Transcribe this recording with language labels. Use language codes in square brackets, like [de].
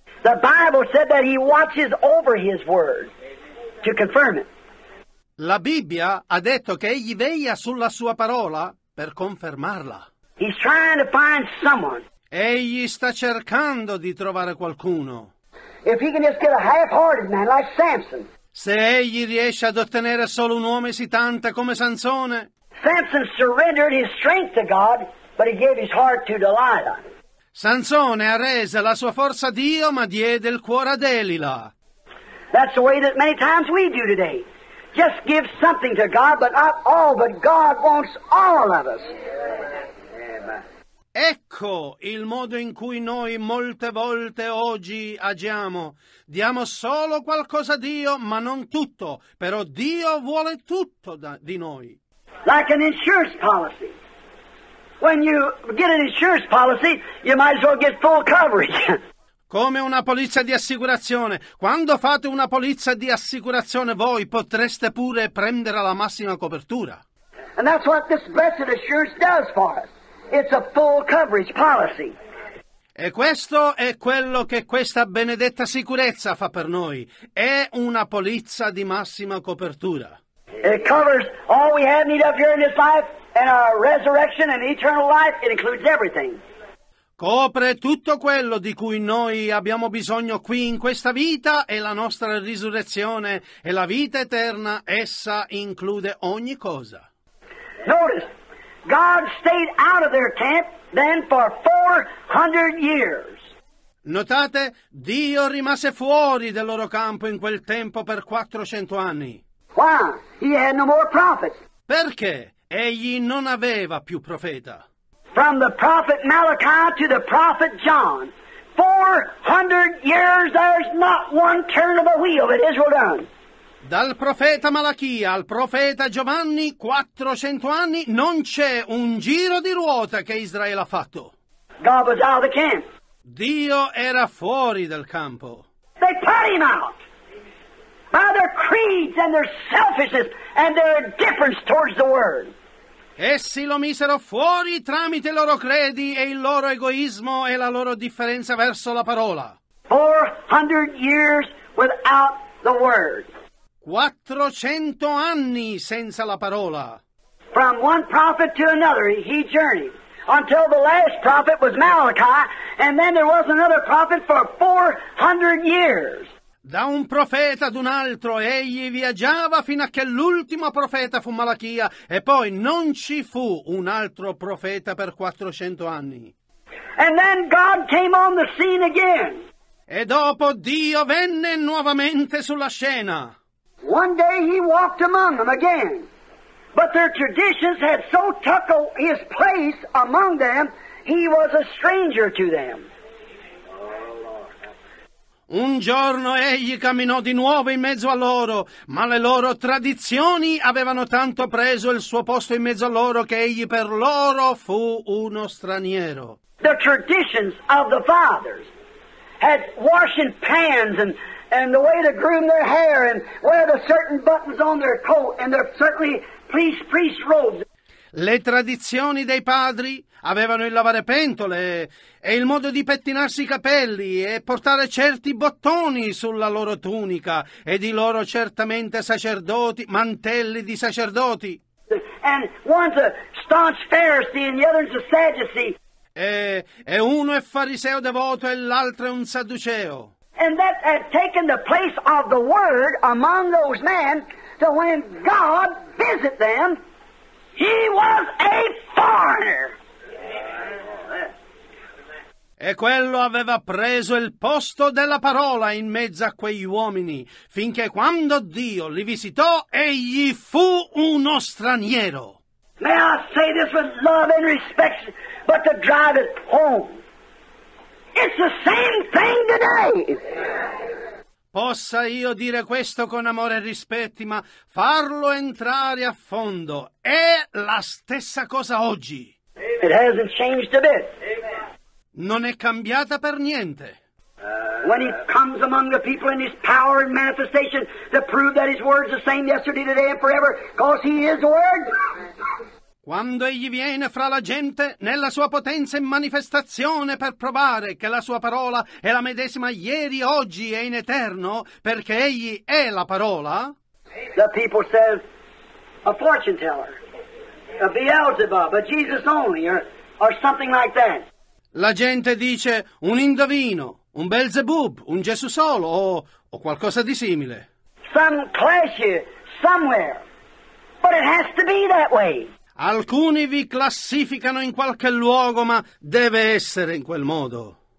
[en] The Bible said that he watches over his word to confirm it. [it] La Bibbia ha detto che egli veglia sulla sua parola per confermarla. [en] He's trying to find someone. [it] Egli sta cercando di trovare qualcuno. [en] If he can just get a half-hearted man like Samson. [it] Se egli riesce ad ottenere solo un uomo esitante come Sansone. [en] Samson surrendered his strength to God, but he gave his heart to Delilah. [it] Sansone arrese la sua forza a Dio, ma diede il cuore a Delila. [en] That's the way that many times we do today. Just give something to God, but not all, but God wants all of us. [it] Ecco il modo in cui noi molte volte oggi agiamo. Diamo solo qualcosa a Dio, ma non tutto. Però Dio vuole tutto di noi. [en] Like an insurance policy. When you get an insurance policy, you might as well get full coverage. [it] Come una polizza di assicurazione. Quando fate una polizza di assicurazione, voi potreste pure prendere la massima copertura. [en] And that's what this blessed assurance does for us. It's a full coverage policy. [it] E questo è quello che questa benedetta sicurezza fa per noi. È una polizza di massima copertura. [en] It covers all we have need of here in this life, and our resurrection and eternal life. It includes everything. [it] Copre tutto quello di cui noi abbiamo bisogno qui in questa vita e la nostra risurrezione e la vita eterna, essa include ogni cosa. [en] Notice, God stayed out of their camp then for 400 years. [it] Notate, Dio rimase fuori del loro campo in quel tempo per 400 anni. [en] Why? He had no more prophets. [it] Perché? Egli non aveva più profeta. [en] From the prophet Malachi to the prophet John, 400 years there's not one turn of a wheel that Israel done. [it] Dal profeta Malachia al profeta Giovanni, 400 anni, non c'è un giro di ruota che Israele ha fatto. [en] God was out of the camp. [it] Dio era fuori dal campo. [en] They put him out by their creeds and their selfishness and their indifference towards the word. [it] Essi lo misero fuori tramite i loro credi e il loro egoismo e la loro differenza verso la parola. [en] 400 years without the word. [it] 400 anni senza la parola. [en] From one prophet to another he journeyed until the last prophet was Malachi, and then there was another prophet for 400 years. [it] Da un profeta ad un altro, egli viaggiava fino a che l'ultimo profeta fu Malachia, e poi non ci fu un altro profeta per 400 anni. [en] And then God came on the scene again. [it] E dopo Dio venne nuovamente sulla scena. [en] One day he walked among them again, but their traditions had so took his place among them, he was a stranger to them. [it] Un giorno egli camminò di nuovo in mezzo a loro, ma le loro tradizioni avevano tanto preso il suo posto in mezzo a loro che egli per loro fu uno straniero. [en] The traditions of the fathers had washing pans and the way to groom their hair and wear the certain buttons on their coat and their certainly priest robes. [it] Le tradizioni dei padri avevano il lavare pentole e il modo di pettinarsi i capelli e portare certi bottoni sulla loro tunica e di loro certamente sacerdoti, mantelli di sacerdoti. [en] And one's a staunch Pharisee and the other's a Sadducee. [it] E uno è fariseo devoto e l'altro è un sadduceo. [en] And that had taken the place of the word among those men, so when God visit them, he was a foreigner. [it] E quello aveva preso il posto della parola in mezzo a quegli uomini, finché quando Dio li visitò, egli fu uno straniero. [en] May I say this with love and respect, but to drive it home. It's the same thing today. [it] Possa io dire questo con amore e rispetti, ma farlo entrare a fondo è la stessa cosa oggi. [en] It hasn't changed a bit. [it] Non è cambiata per niente. [en] When he comes among the people in his power and manifestation to prove that his word is the same yesterday, today and forever, because he is the word. [it] Quando egli viene fra la gente, nella sua potenza e manifestazione per provare che la sua parola è la medesima ieri, oggi e in eterno, perché egli è la parola. [en] the people says, a fortune teller, a Beelzebub, a Jesus only, or something like that. [it] La gente dice un indovino, un Beelzebub, un Gesù solo, o qualcosa di simile. [en] Some clash you somewhere, but it has to be that way. [it] Alcuni vi classificano in qualche luogo, ma deve essere in quel modo.